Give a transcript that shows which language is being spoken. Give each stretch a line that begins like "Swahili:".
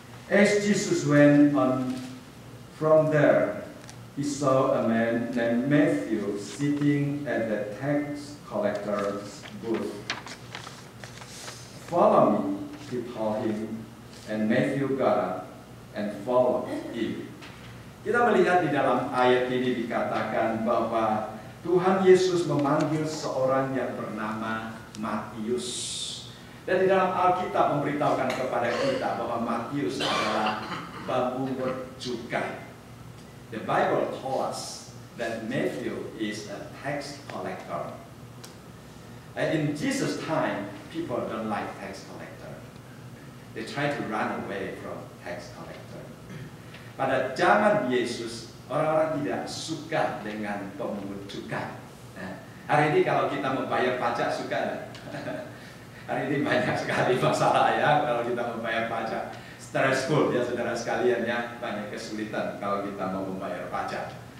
English: As Jesus went on from there, he saw a man named Matthew sitting at the tax collector's booth. "Follow me," he told him, and Matthew got up and followed him.
Indonesian: Kita melihat di dalam ayat ini dikatakan bahwa Tuhan Yesus memanggil seorang yang bernama Matius. Dan di dalam Alkitab memberitahukan kepada kita bahwa Matius adalah bambu bercukai.
English: The Bible told us that Matthew is a tax collector. And in Jesus' time, people don't like tax collector. They try to run away from tax collector.
Indonesian: Pada zaman Yesus, orang-orang tidak suka dengan pemungut cukai. Nah, hari ini kalau kita membayar pajak, suka tidak? Hari ini banyak sekali masalah ya, kalau kita membayar pajak. Stressful ya, saudara sekalian ya. Banyak kesulitan kalau kita mau membayar pajak.